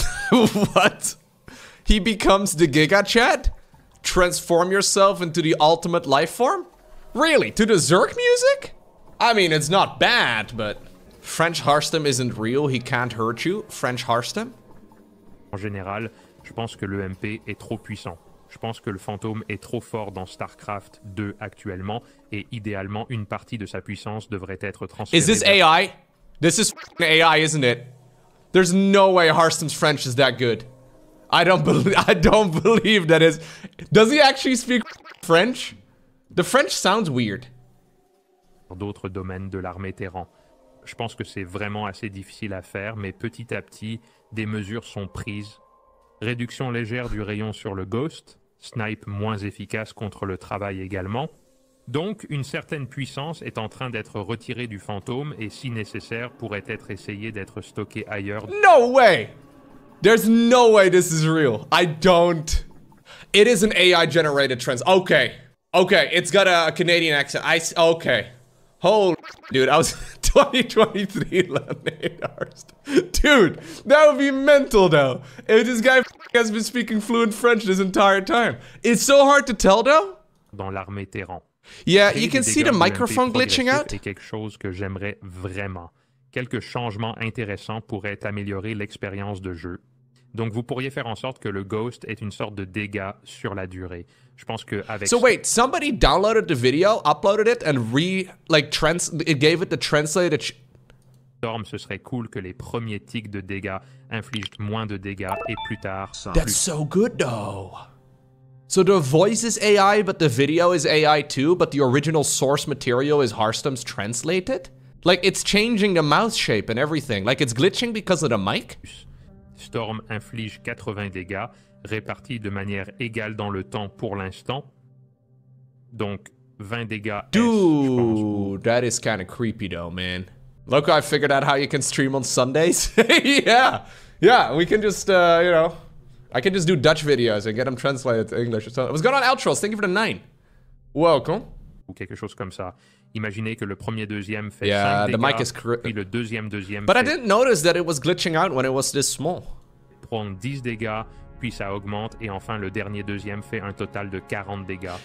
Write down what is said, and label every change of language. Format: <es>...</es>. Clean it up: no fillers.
<en>What? He becomes the Giga Chad? Transform yourself into the ultimate life form? Really? To the Zerk music? I mean, it's not bad, but... French Harstem isn't real, he can't hurt you. French Harstem?</en> <fr>En général, je pense que l'EMP est trop puissant. Je pense que le fantôme est trop fort dans StarCraft 2 actuellement, et idéalement, une partie de sa puissance devrait être transférée...</fr> <en>Is this AI? This is f***ing AI, isn't it? There's no way Harstem's French is that good. I don't believe that is... Does he actually speak French? The French sounds weird.</en> <fr>...d'autres domaines de l'armée Terran. Je pense que c'est vraiment assez difficile à faire, mais petit à petit, des mesures sont prises. Réduction légère du rayon sur le Ghost, snipe moins efficace contre le travail également. Donc, une certaine puissance est en train d'être retirée du fantôme et si nécessaire, pourrait être essayée d'être stockée ailleurs...</fr> <en>No way! There's no way this is real. I don't. It is an AI generated trans. Okay. Okay. It's got a Canadian accent. Okay. Holy dude. I was 2023 Lemonade Arst. Dude, that would be mental though. If this guy has been speaking fluent French this entire time. It's so hard to tell though.</en> <fr>Dans l'armée Terran.</fr> <en>Yeah, you can see the microphone glitching out.</en> <fr>C'est quelque chose que j'aimerais vraiment. Quelques changements intéressants pourraient améliorer l'expérience de jeu. Donc vous pourriez faire en sorte que le ghost ait une sorte de dégâts sur la durée. Je pense que avec</fr> <en>So wait, somebody downloaded the video, uploaded it and it gave it the translated</en> <fr>Storm, ce serait cool que les premiers tics de dégâts infligent moins de dégâts et plus tard...</fr> <en>That's so good though! So the voice is AI, but the video is AI too, but the original source material is Harstam's translated? Like, it's changing the mouth shape and everything. Like, it's glitching because of the mic?</en> <fr>Storm inflige 80 dégâts, répartis de manière égale dans le temps pour l'instant. Donc, 20 dégâts.</fr> <en>Dude, that is kind of creepy though, man. Look, I figured out how you can stream on Sundays. Yeah, yeah, we can just, you know, I can just do Dutch videos and get them translated to English. So, what's going on, Altros? Thank you for the 9. Welcome.</en> <fr>Ou quelque chose comme ça. Imaginez que le premier deuxième fait</fr> <en>yeah,</en> <fr>5 dégâts,</fr> <en>the mic is</en> <fr>puis le deuxième</fr> <en>But</en> <fr>fait...</fr> <en>I didn't notice that it was glitching out when it was this small.</en> <fr>Prend 10 dégâts, puis ça augmente, et enfin le dernier deuxième fait un total de 40 dégâts.</fr>